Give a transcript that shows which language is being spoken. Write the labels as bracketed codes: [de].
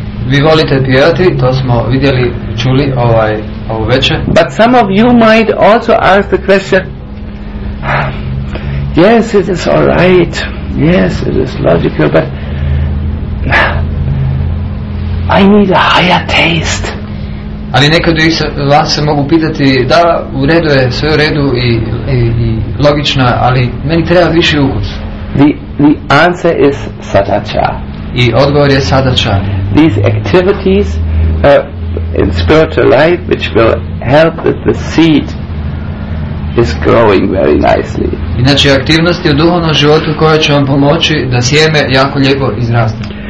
[hr] Vi volite pjevati, to smo vidjeli, čuli ovo večer. [en] But some of you might also ask the question, yes, it is all right, yes, it is logical, but I need a higher taste. [hr] Ali nekad vas se mogu pitati, da, u redu je, sve u redu i logično, ali meni treba viši ukus. [en] The answer is sadača. [hr] I odgovor je sadača. [en] These activities in spiritual life which will help that the seed is growing very nicely. [hr] Inače aktivnosti u duhovnom životu koje će vam pomoći da sjeme jako lijepo izraste.